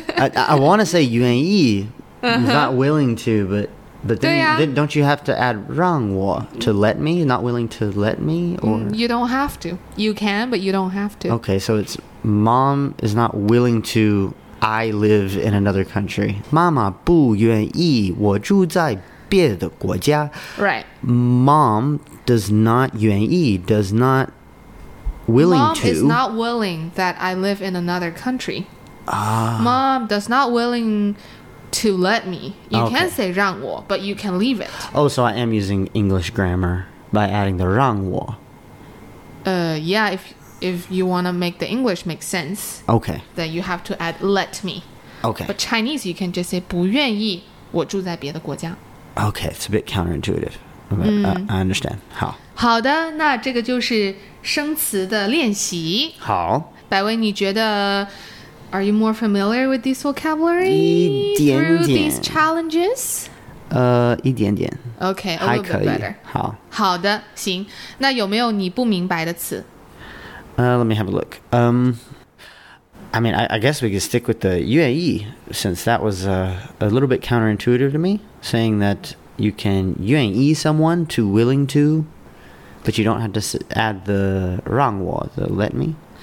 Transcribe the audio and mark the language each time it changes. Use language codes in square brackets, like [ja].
[en] I want to say 愿意, not willing to, but then, yeah. then don't you have to add 让我 to let me, not willing to let me? Or You don't have to. You can, but you don't have to. Okay, so it's mom is not willing to, I live in another country. [zh] 妈妈不愿意我住在别的国家. [en] Right. Mom does not 愿意, does not Willing Mom to. Is not willing that I live in another country. Ah. Mom does not willing to let me. You okay. can say 让我, but you can leave it. Oh, so I am using English grammar by adding the 让我. Yeah, if you want to make the English make sense, okay, then you have to add let me. Okay. But Chinese, you can just say [zh] 不愿意, 我住在别的国家。 [en] Okay, it's a bit counterintuitive. I understand. [zh] 好的，那这个就是生词的练习。好。百威，你觉得 [en] are you more familiar with this vocabulary [zh] 一点点, [en] through these challenges? [zh] 一点点。 [en] Okay, a little bit better. [zh] 好。好的，行。那有没有你不明白的词？ [en] Let me have a look. I mean, I guess we could stick with the UAE, since that was a little bit counterintuitive to me, saying that you can UAE someone to willing to, but you don't have to add the 让我, the let me.